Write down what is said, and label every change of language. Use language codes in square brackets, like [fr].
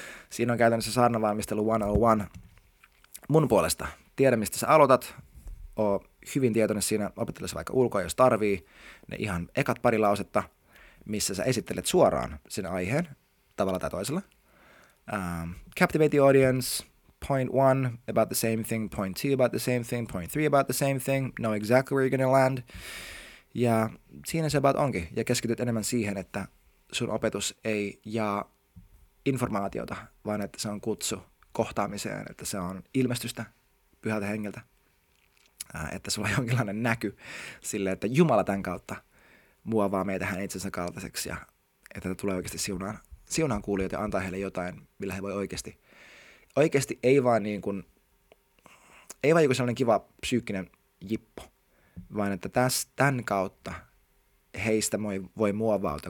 [fi] Siinä on käytännössä saarnavalmistelu 101 mun puolesta. Tiedä, mistä sä aloitat. ole hyvin tietoinen siinä, opettele se vaikka ulkoa, jos tarvii, ne ihan ekat pari lausetta, missä sä esittelet suoraan sen aiheen, tavalla tai toisella. [en] Captivate the audience, point one about the same thing, point two about the same thing, point three about the same thing, know exactly where you're gonna land. [fi] Ja siinä se about onkin, ja keskityt enemmän siihen, että sun opetus ei jaa informaatiota, vaan että se on kutsu kohtaamiseen, että se on ilmestystä Pyhältä Hengeltä, että sulla on jonkinlainen näky sille, että Jumala tämän kautta muovaa meitä hän itsensä kaltaiseksi ja että tulee oikeasti siunaan kuulijoita ja antaa heille jotain, millä he voi oikeasti ei vaan niin kuin, ei vaan joku sellainen kiva psyykkinen jippo, vaan että tämän kautta heistä voi muovautua.